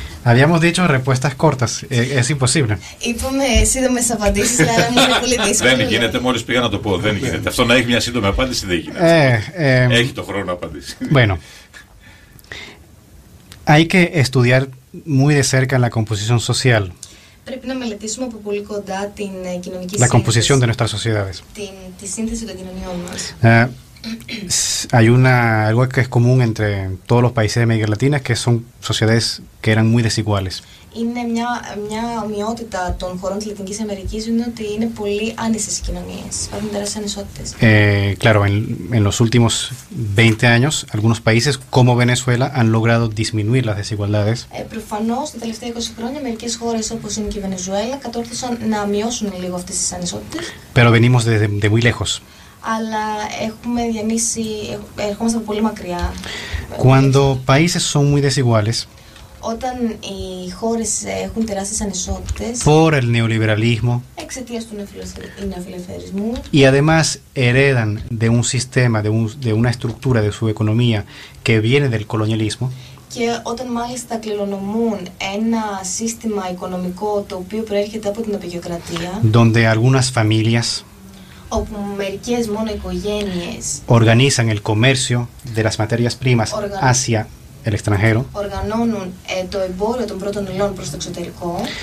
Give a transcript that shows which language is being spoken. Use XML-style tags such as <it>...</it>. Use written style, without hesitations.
<es>Habíamos dicho respuestas cortas, es imposible.</es> <el>Είπαμε σύντομες απαντήσεις, αλλά είναι πολύ δύσκολο. Δεν γίνεται, μόλις πήγα να το πω, δεν γίνεται. Αυτό να έχει μια σύντομη απάντηση δεν γίνεται. Έχει το χρόνο να απαντήσει.</el> <es>Bueno, hay que estudiar muy de cerca la composición social.</es> <el>Πρέπει να μελετήσουμε από πολύ κοντά την κοινωνική σύνθεση.</el> <es>La composición de nuestras sociedades.</es> <el>Τη σύνθεση των κοινωνιών μας.</el> <es>hay una algo que es común entre todos los países de América Latina, que son sociedades que eran muy desiguales.</es> <el>Είναι μια ομοιότητα των χωρών της Λατινικής Αμερικής, είναι ότι είναι πολύ άνισες οι κοινωνίες, υπάρχουν τεράστιες ανισότητες.</el> <es>Claro, en los últimos 20 años, algunos países como Venezuela han logrado disminuir las desigualdades.</es> <el>Προφανώς, τα τελευταία 20 χρόνια, μερικές χώρες όπως είναι και η Βενεζουέλα, κατόρθωσαν να μειώσουν λίγο αυτές τις ανισότητες.</el> <es>Pero venimos de muy lejos.</es> <el>Αλλά έχουμε διανύσει, ερχόμαστε από πολύ μακριά.</el> <es>Cuando países son muy desiguales,</es> <el>όταν οι χώρες έχουν τεράστιες ανισότητες,</el> <es>por el neoliberalismo,</es> <el>εξαιτίας του νεοφιλελευθερισμού,</el> <es>y además heredan de un sistema, de una estructura de su economía que viene del colonialismo,</es> <el>και όταν μάλιστα κληρονομούν ένα σύστημα οικονομικό το οποίο προέρχεται από την απεικιοκρατία,</el> <es>donde algunas familias,</es> <el>όπου μερικές μόνο οικογένειες,</el> <es>organizan el comercio de las materias primas hacia el extranjero,</es> <el>οργανώνουν το εμπόριο των πρώτων υλών προς το εξωτερικό.</el>